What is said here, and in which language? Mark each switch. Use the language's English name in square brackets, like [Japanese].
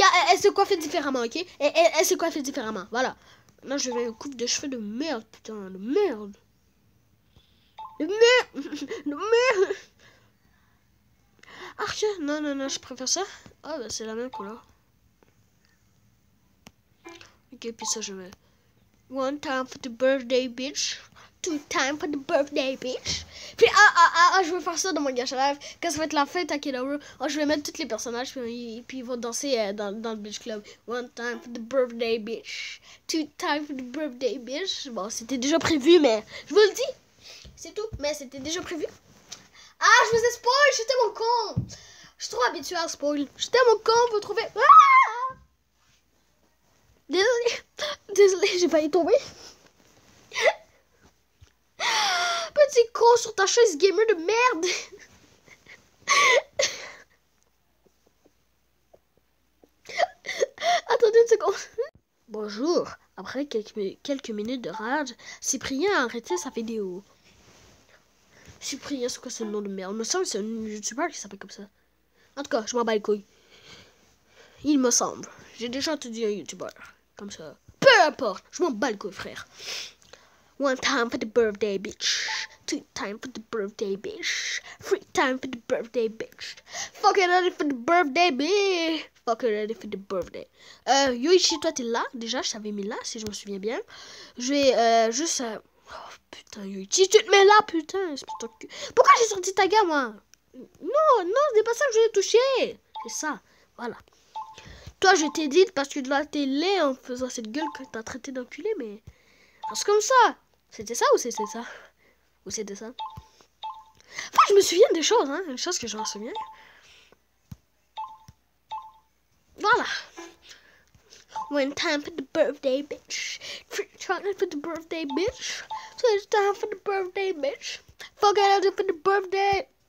[French] Elle se coiffe différemment, ok? Elle se coiffe différemment, voilà. Là, je vais une coupe de cheveux de merde, putain, de merde. Mais... Arche, non, non, non, je préfère ça. Ah, bah, c'est la même couleur. Ok, puis ça, je vais... [English] One time for the birthday, bitch. Two time for the birthday, bitch. [French] Puis, je vais faire ça dans mon gacha live. Quand ça va être la fête à Kenobu, oh, je vais mettre tous les personnages, puis ils vont danser dans le bitch club. [English] One time for the birthday, bitch. Two time for the birthday, bitch. [French] Bon, c'était déjà prévu, mais je vous le dis. C'est tout, mais c'était déjà prévu. Ah, je vous ai spoil, je suis tellement con. Je suis trop habitué à spoil. Je suis tellement con, vous trouvez... Désolé. Désolé, j'ai failli tomber. Petit con sur ta chaise gamer de merde. Attendez une seconde. Bonjour. Après quelques minutes de rage, Cyprien a arrêté sa vidéo. Cyprien, c'est quoi ce nom de merde? Il me semble que c'est un youtubeur qui s'appelle comme ça. En tout cas, je m'en bats les couilles. Il me semble. J'ai déjà entendu un youtubeur comme ça. Peu importe, je m'en bats les couilles, frère. [English] One time for the birthday, bitch. Two time for the birthday, bitch. Three time for the birthday, bitch. Fucking ready for the birthday, bitch. Fucking ready for the birthday. [French] Yoichi, toi, t'es là? Déjà, je t'avais mis là, si je me souviens bien. Je vais juste... Oh putain, Yuichi, tu te mets là, putain, c'est pour ton cul. Pourquoi j'ai sorti ta gueule, moi? Non, non, c'est pas ça que je l'ai touché. C'est ça, voilà. Toi, je t'ai dit parce que tu dois t'es laid en faisant cette gueule que t'as traité d'enculé, mais. C'est comme ça. C'était ça ou c'était ça? Ou c'était ça? Enfin, je me souviens des choses, hein, une chose que je me souviens. Voilà. [English] One time for the birthday, bitch. Three time for the birthday, bitch. So it's time for the birthday, bitch. Fuck it, I'll do for the birthday.